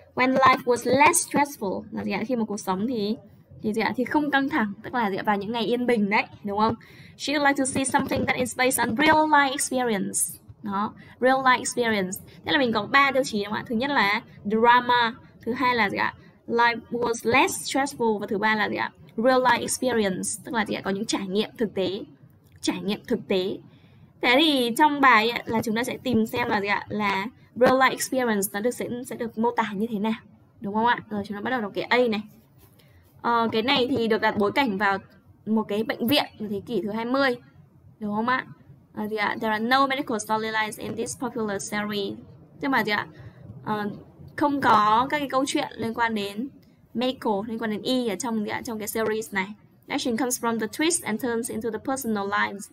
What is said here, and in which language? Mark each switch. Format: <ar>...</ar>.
<en>When life was less stressful,</en> <vi>là gì ạ? Khi mà cuộc sống thì gì ạ? Thì không căng thẳng, tức là gì ạ? Vào những ngày yên bình đấy, đúng không?</vi> <en>She would like to see something that is based on real life experience.</en> <vi>Đó,</vi> <en>real life experience.</en> <vi>Thế là mình có 3 tiêu chí đúng không ạ? Thứ nhất là drama, thứ hai là gì ạ?</vi> <en>Life was less stressful</en> <vi>và thứ ba là gì ạ?</vi> <en>Real life experience,</en> <vi>tức là gì ạ? Có những trải nghiệm thực tế. Trải nghiệm thực tế. Thế thì trong bài ấy, là chúng ta sẽ tìm xem là gì ạ? Là</vi> <en>real life experience</en> <vi>nó sẽ được mô tả như thế nào, đúng không ạ? Rồi chúng ta bắt đầu đọc cái A này. Cái này thì được đặt bối cảnh vào một cái bệnh viện thế kỷ thứ 20, đúng không ạ?</vi> <en>There are no medical storylines in this popular series.</en> <vi>Tức là gì ạ? Không có các cái câu chuyện liên quan đến medical, liên quan đến y ở trong gì ạ? Trong cái series này.</vi> <en>Action comes from the twists and turns into the personal lines.</en>